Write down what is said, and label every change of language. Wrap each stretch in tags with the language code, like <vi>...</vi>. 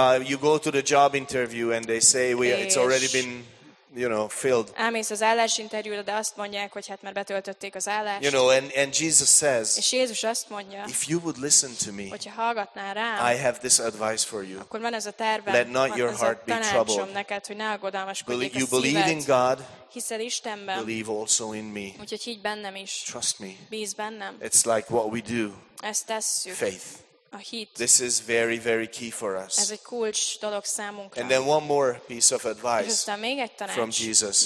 <en>You go to the job interview and they say, it's already been, you know, filled.</en> <hu>Elmész az állásinterjúra, de azt mondják, hogy hát már betöltötték az állást.</hu> <en>You know, and Jesus says,</en> <hu>és Jézus azt mondja,</hu> <en>if you would listen to me,</en> <hu>hogyha hallgatnál rám,</hu> <en>I have this advice for you.</en> <hu>Akkor van ez a tervem,</hu> <en>let not your heart be troubled.</en> <hu>Neked, hogy ne aggodalmaskodjék a szíved.</hu> <en>You believe in God,</en> <hu>hiszel Istenben,</hu> <en>believe also in me.</en> <hu>Úgyhogy higgy bennem is.</hu> <en>Trust me.</en> <hu>Bíz bennem.</hu> <en>It's like what we do.</en> <hu>Ezt tesszük.</hu> <en>Faith.</en> <hu>A hit.</hu> <en>This is very, very key for us.</en> <hu>Ez egy kulcs dolog számunkra.</hu> <en>And then one more piece of advice from Jesus.</en>